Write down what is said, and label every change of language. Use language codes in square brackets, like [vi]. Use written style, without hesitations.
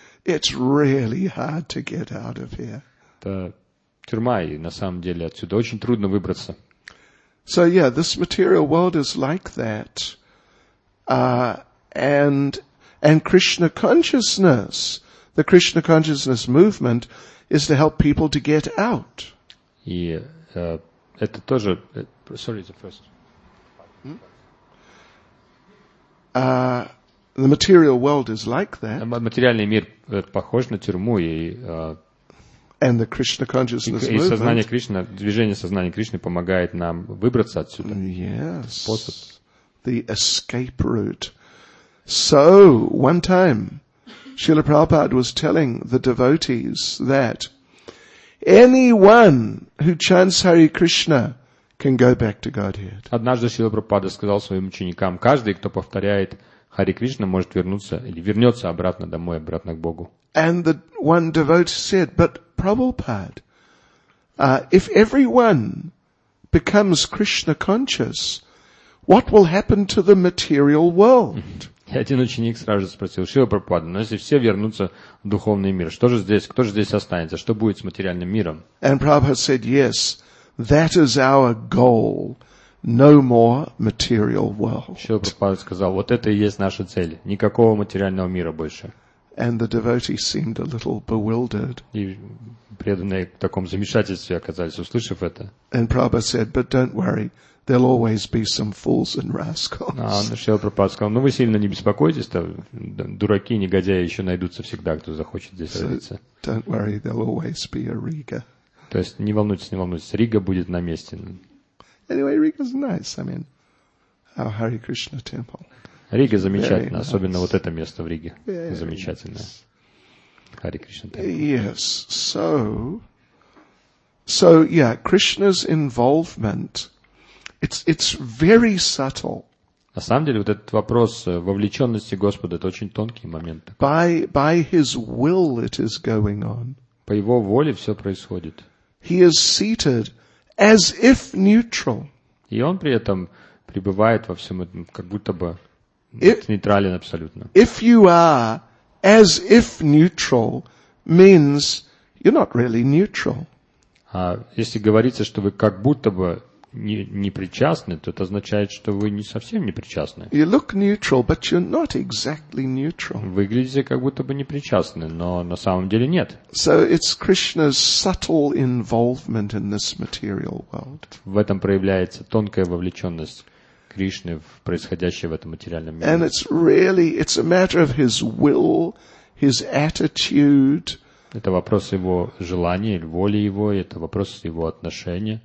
[en] It's really hard to get out of here. [ru] Это тюрьма, и на самом деле отсюда очень трудно выбраться. [en] So yeah, this material world is like that. And Krishna consciousness, the Krishna consciousness movement is to help people to get out. [ru] И это тоже... [en] Sorry, the first. The material world is like that. [ru] Материальный мир похож на тюрьму и [en] and the Krishna consciousness movement. [ru] И сознание Кришны, движение сознания Кришны помогает нам выбраться отсюда. [en] Yes. [ru] Способ. [en] The escape route. So, one time, Srila Prabhupada was telling the devotees that anyone who chants Hare Krishna can go back to Godhead. [ru] Однажды Шрила Прабхупада сказал своим ученикам, каждый, кто повторяет Хари Кришна может вернуться или вернется обратно домой, обратно к Богу. [en] And the one devotee said, but Prabhupada, if everyone becomes Krishna conscious, what will happen to the material world? [ru] И один ученик сразу же спросил, Шрила Прабхупада, но если все вернутся в духовный мир, что же здесь, кто же здесь останется, что будет с материальным миром? [en] And Prabhupada said, yes, that is our goal. No more material world. [ru] Шрила Прабхупада сказал, вот это и есть наша цель. Никакого материального мира больше. [en] And the devotees seemed a little bewildered. [ru] И преданные в таком замешательстве оказались, услышав это. [en] And Prabhupada said, but don't worry, there'll always be some fools and rascals. [ru] Шрила Прабхупада сказал, ну вы сильно не беспокойтесь, там дураки и негодяи еще найдутся всегда, кто захочет здесь родиться. [en] Don't worry, there'll always be a Riga. [ru] То есть не волнуйтесь, не волнуйтесь, Рига будет на месте. [en] Anyway, Riga's nice. I mean, our Hare Krishna temple. [ru] Рига замечательна, nice. Особенно вот это место в Риге. [en] Very [ru] замечательное. [en] Nice. Hare Krishna temple. Yes. So yeah, Krishna's involvement, it's very subtle. [ru] На самом деле, вот этот вопрос вовлеченности Господа — это очень тонкий момент. [en] By His will it is going on. [ru] По Его воле все происходит. [en] He is seated as if neutral. [ru] И Он при этом пребывает во всем этом, как будто бы нейтрален абсолютно. [en] If you are as if neutral, means you're not really neutral. [ru] А если говорится, что вы как будто бы не причастны, то это означает, что вы не совсем не причастны. [en] You look neutral, but you're not exactly neutral. [ru] Выглядите как будто бы непричастны, но на самом деле нет. [en] So it's Krishna's subtle involvement in this material world. [ru] В этом проявляется тонкая вовлеченность Кришны в происходящее в этом материальном мире. [en] And it's really, it's a matter of His will, His attitude. [ru] Это вопрос его желания, воли его, это вопрос его отношения.